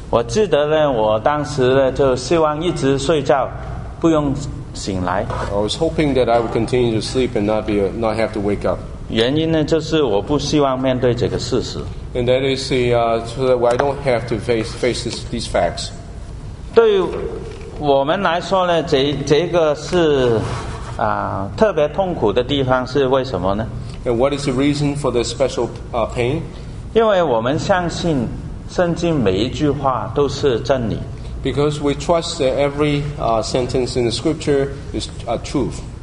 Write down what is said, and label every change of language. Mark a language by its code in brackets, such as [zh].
[zh] 我记得呢，我当时呢，就希望一直睡觉，不用醒来。 [en] I was hoping that I would continue to sleep and not have to wake up. [zh] 原因呢，就是我不希望面对这个事实。 [en] And that is so that I don't have to face these facts. [zh] 对于我们来说呢，这个是特别痛苦的地方是为什么呢？ [en] And what is the reason for this special pain? [zh] 因为我们相信 圣经每一句话都是真理。 [en] Because we trust that every sentence in the scripture is a truth.